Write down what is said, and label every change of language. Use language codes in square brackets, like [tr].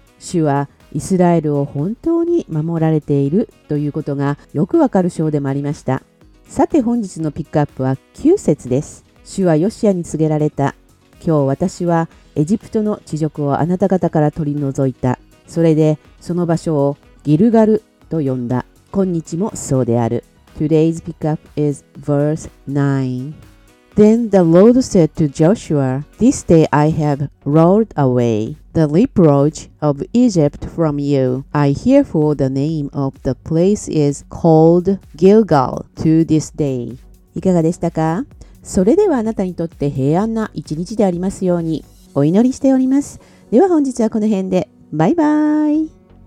[ja] 主はイスラエルを本当に守られているということがよくわかる章でもありました。さて本日のピックアップは9節です。主はヨシアに告げられた。今日私はエジプトの地辱をあなた方から取り除いた。それでその場所をギルガルと呼んだ。今日もそうである。 [en] Today's pickup is verse 9. Then the Lord said to Joshua, This day I have rolled away the reproach of Egypt from you. I herefore the name of the place is called Gilgal to this day. [ja] いかがでしたか？それではあなたにとって平安な一日でありますようにお祈りしております。では本日はこの辺で。バイバイ。